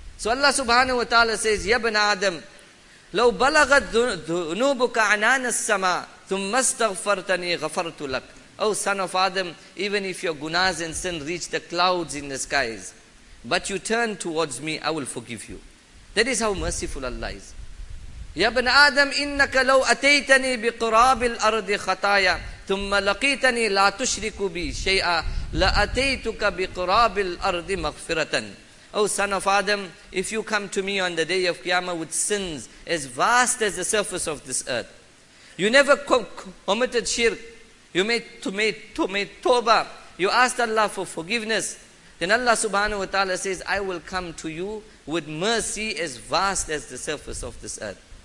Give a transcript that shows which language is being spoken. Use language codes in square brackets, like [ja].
[en] So Allah subhanahu wa ta'ala says, [ar] Ya bin Adam, لو بلغت ذنوبك عنان السماء ثم استغفرتني غفرت لك. [en] O son of Adam, even if your gunas and sin reach the clouds in the skies, but you turn towards me, I will forgive you. That is how merciful Allah is. [ar] Ya bin Adam, إنك لو أتيتني بقراب الأرض خطايا ثم لقيتني لا تشرك بي شيئا لأتيتك بقراب الأرض مغفرة. [en] O son of Adam, if you come to me on the day of Qiyamah with sins as vast as the surface of this earth, you never committed shirk, you made tawbah, you asked Allah for forgiveness, then Allah subhanahu wa ta'ala says, I will come to you with mercy as vast as the surface of this earth.